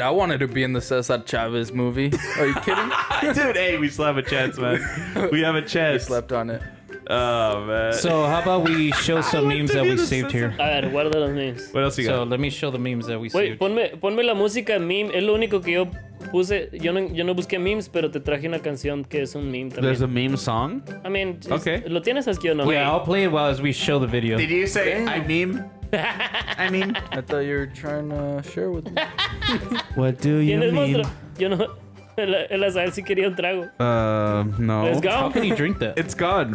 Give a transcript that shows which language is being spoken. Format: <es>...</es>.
<en>I wanted to be in the Cesar Chavez movie. Are you kidding? Dude, hey, we still have a chance, man. We have a chance. We slept on it. Oh, man. So how about we show some memes that we saved here?</en> <es>A ver, guarda los memes.</es> <en>What else you got? So let me show the memes that we saved.</en> <es>Wait, ponme la música meme. Es lo único que yo puse. Yo no busqué memes, pero te traje una canción que es un meme también.</es> <en>There's a meme song? I mean, okay.</en> <es>¿Lo tienes aquí o no?</es> <en>Wait, I'll play it while as we show the video. Did you say, damn. I meme? I thought you were trying to share with me. What do you mean?</en> <es>¿Quién es monstruo? Yo no... El azar sí quería un trago.</es> <en>No. Let's go. How can you drink that? It's gone.</en>